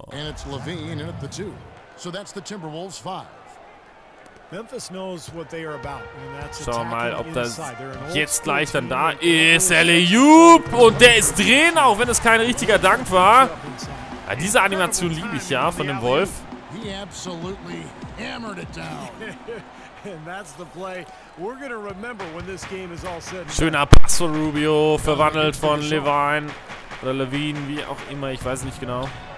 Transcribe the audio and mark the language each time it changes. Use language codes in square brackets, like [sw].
[en] And it's Levine in at the two. So that's the Timberwolves five. Memphis knows what they are about. [de] Schauen wir mal, ob das jetzt gleich dann da ist. Alley-oop! Und der ist drin, auch wenn es kein richtiger Dank war. Ja, diese Animation liebe ich ja von dem Wolf. [en] He absolutely hammered it down. And that's the play we're gonna remember when this game is all said. [de] Schöner Pass von Rubio, verwandelt von Levine oder Levine, wie auch immer, ich weiß nicht genau.